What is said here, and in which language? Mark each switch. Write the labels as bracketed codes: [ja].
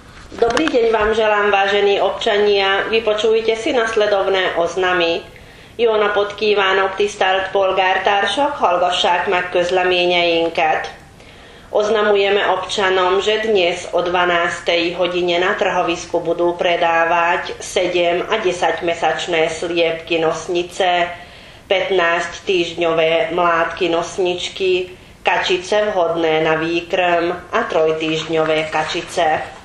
[sk] Dobrý deň vám želám, vážení občania. Vypočujte si nasledovné oznamy. [hu] Jóna podkívánok tisztelt polgártársak, hallgassák meg közleményeinket. [sk] Oznamujeme občanom, že dnes o 12. hodine na trhovisku budú predávať 7 a 10 mesačné sliepky nosnice, 15 týždňové mládky nosničky, kačice vhodné na výkrm a trojtýždňové kačice.